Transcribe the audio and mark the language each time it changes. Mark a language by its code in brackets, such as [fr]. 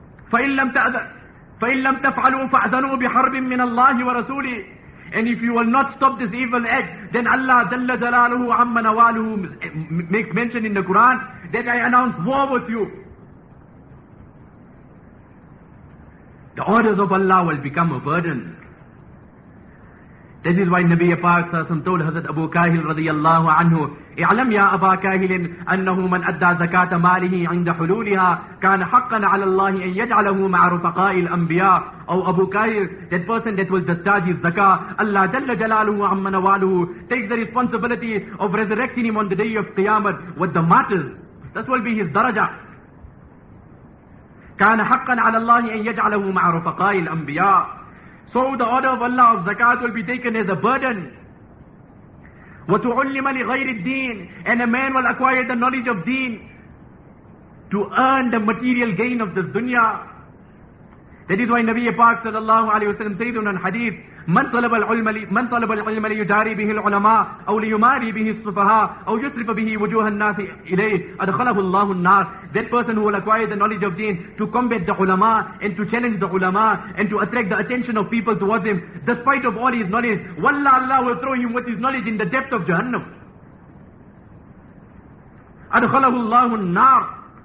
[ar] فَإِن لَمْ تَفْعَلُوا فَأَذَنُوا بِحَرْبٍ مِّنَ اللَّهِ وَرَسُولِهِ, [en] and if you will not stop this evil act, then Allah Jalla Jalaluhu Amma Nawaluhu makes mention in the Quran that I announce war with you. The orders of Allah will become a burden. That is why Nabi Paak Sahasam told Hazrat Abu Kahil radiyallahu anhu, [ar] اعلم يا أبا كاهل أنه من أدى زكاة ماله عند حلولها كان حقا على الله أن يجعله مع رفقاء الأنبياء. أو أبو كاهل, [en] that person that will discharge his zakah, Allah [ar] جل جلاله عم نواله [en] takes the responsibility of resurrecting him on the day of Qiyamah with the martyrs. This will be his daraja. [ar] كان حقا على الله أن يجعله مع رفقاء الأنبياء. [en] So the order of Allah of zakat will be taken as a burden. [ar] وَتُعُلِّمَ لِغَيْرِ الدِّينِ, [en] and a man will acquire the knowledge of deen to earn the material gain of this dunya. That is why Nabi Paak sallallahu alayhi wa sallam says in an hadith, [ar] مَنْ طَلَبَ الْعُلْمَ لِيُجَارِي بِهِ الْعُلَمَاءِ أَوْ لِيُمَارِي بِهِ الصُّفَهَاءِ أَوْ يُسْرِفَ بِهِ وُجُوهَ النَّاسِ إِلَيْهِ أَدْخَلَهُ اللَّهُ النَّاسِ. [en] That person who will acquire the knowledge of deen to combat the ulama and to challenge the ulama and to attract the attention of people towards him despite of all his knowledge, wallah, Allah will throw him with his knowledge in the depth of Jahannam. [ar] أَدْخَلَهُ اللَّهُ النَّاسِ.